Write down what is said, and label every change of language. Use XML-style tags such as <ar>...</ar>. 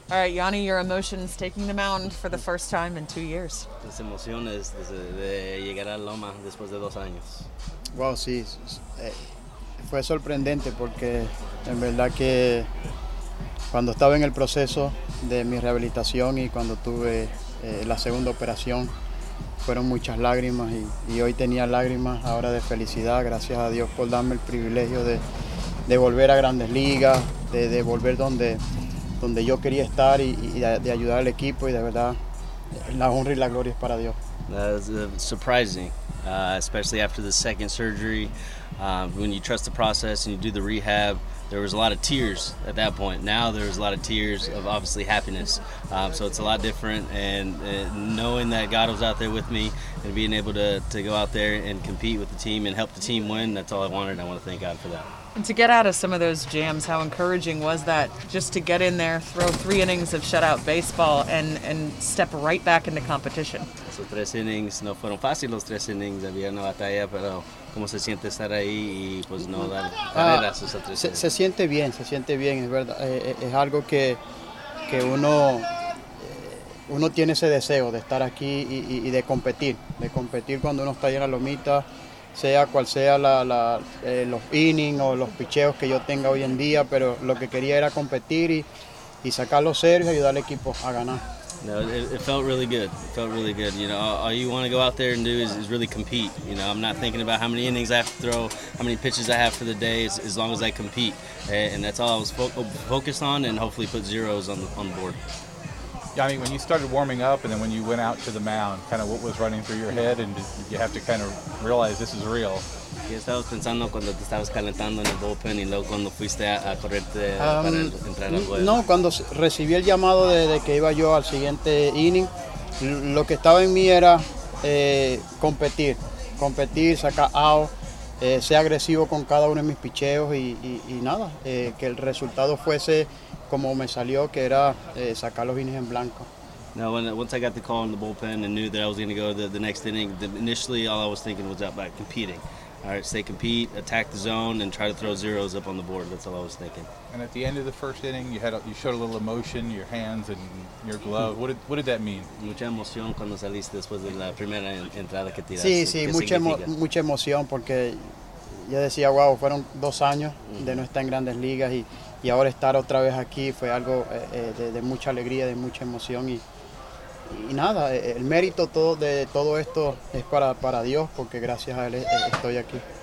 <en>All right, Yonny, your emotions taking the mound for the first time in 2 years.</en> <es>Las emociones de llegar a Loma después de dos años. Wow, sí. Fue sorprendente porque en verdad que cuando estaba en el proceso de mi rehabilitación y cuando tuve la segunda operación, fueron muchas lágrimas y hoy tenía lágrimas ahora de felicidad. Gracias a Dios por darme el privilegio de volver a Grandes Ligas, de volver donde yo quería estar y de ayudar al equipo, y de verdad la honra y la gloria es para Dios.</es> <en>That's surprising, especially after the second surgery. When you trust the process and you do the rehab, there was a lot of tears at that point. Now there's a lot of tears of obviously happiness. So it's a lot different, and knowing that God was out there with me and being able to go out there and compete with the team and help the team win, that's all I wanted. I want to thank God for that. And to get out of some of those jams, how encouraging was that just to get in there, throw three innings of shutout baseball, and step right back into competition?</en> <es>Esos tres innings no fueron fáciles, los tres innings, había una batalla, pero ¿cómo se siente estar ahí y pues no dar carreras esos tres innings? Se siente bien, es verdad. Es algo que uno tiene ese deseo de estar aquí y de competir cuando uno está ahí en la lomita. Sea cual sea los innings o los picheos que yo tenga hoy en día, pero lo que quería era competir y sacar los ceros y ayudar al equipo a ganar.</es> <en>No, it felt really good. It felt really good. You know, all you want to go out there and do is really compete. You know, I'm not thinking about how many innings I have to throw, how many pitches I have for the day, as long as I compete. And that's all I was focused on, and hopefully put zeros on the board. Yeah, I mean, when you started warming up and then when you went out to the mound, kind of what was running through your head, and did you have to kind of realize this is real?</en> <es>¿Qué estabas pensando cuando te estabas calentando en el bullpen y luego cuando fuiste a correrte para entrar al juego? No, cuando recibí el llamado de que iba yo al siguiente inning, lo que estaba en mí era competir, sacar out, ser agresivo con cada uno de mis picheos y nada, que el resultado fuese como me salió, que era sacar los innings en blanco.</es> <en>Now, once I got the call in the bullpen and knew that I was going to go to the next inning, initially all I was thinking was about competing. All right, stay compete, attack the zone, and try to throw zeros up on the board. That's all I was thinking. And at the end of the first inning, you showed a little emotion, your hands and your glove. What did that mean?</en> <es>Mucha emoción cuando saliste después de la primera entrada que tiraste. Sí, sí, mucha emoción porque yo decía, wow, fueron dos años de no estar en Grandes Ligas y ahora estar otra vez aquí fue algo de mucha alegría, de mucha emoción y nada, el mérito de todo esto es para Dios, porque gracias a él estoy aquí.</es>